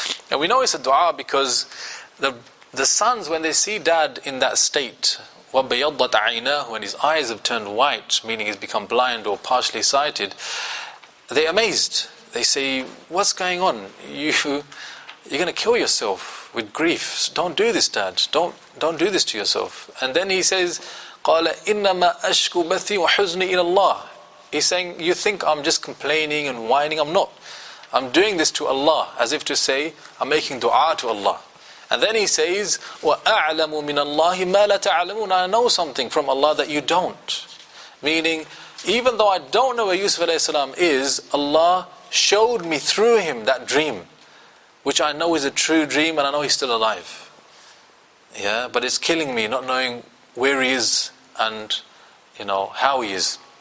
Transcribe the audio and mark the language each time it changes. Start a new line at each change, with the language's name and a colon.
English: And we know it's a dua because the sons, when they see dad in that state,
Arabic: وَبَيَضَّتْ عَيْنَاهُ,
English: when his eyes have turned white, meaning he's become blind or partially sighted, they're amazed. They say, "What's going on? You're going to kill yourself with grief. Don't do this, dad. Don't do this to yourself." And then he says,
Arabic: قَالَ إِنَّمَا أَشْكُو بَثِي وَحُزْنِي إِلَى اللَّهِ.
English: He's saying, "You think I'm just complaining and whining? I'm not. I'm doing this to Allah," as if to say, I'm making dua to Allah. And then he says,
Arabic: وَأَعْلَمُ مِنَ اللَّهِ مَا لَتَعْلَمُونَ.
English: I know something from Allah that you don't. Meaning, even though I don't know where Yusuf alayhi salam is, Allah showed me through him that dream, which I know is a true dream, and I know he's still alive. Yeah, but it's killing me not knowing where he is and, you know, how he is.